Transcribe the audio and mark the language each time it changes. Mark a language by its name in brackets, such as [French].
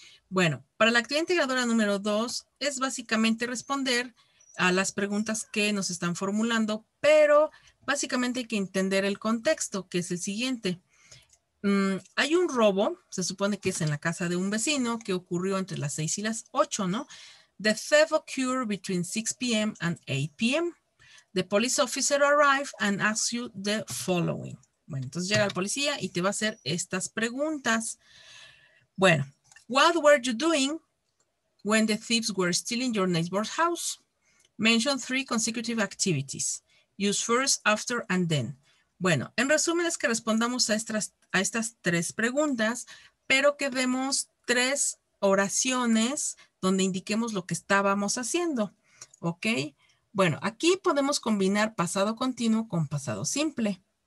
[Spanish] Bueno, para la actividad integradora número 2 es básicamente responder a las preguntas que nos están formulando, pero básicamente hay que entender el contexto, que es el siguiente. Hay un robo, se supone que es en la casa de un vecino, que ocurrió entre las 6 y las 8, ¿no? [English] The theft occurred between 6 p.m. and 8 p.m. The police officer arrived and asks you the following. [Spanish] Bueno, entonces llega el policía y te va a hacer estas preguntas. Bueno. [English] What were you doing when the thieves were stealing your neighbor's house? Mention three consecutive activities. Use first, after, and then. [Spanish] Bueno, en resumen es que respondamos a estas tres preguntas, pero que demos tres oraciones donde indiquemos lo que estábamos haciendo. ¿Ok? Bueno, aquí podemos combinar pasado continuo con pasado simple.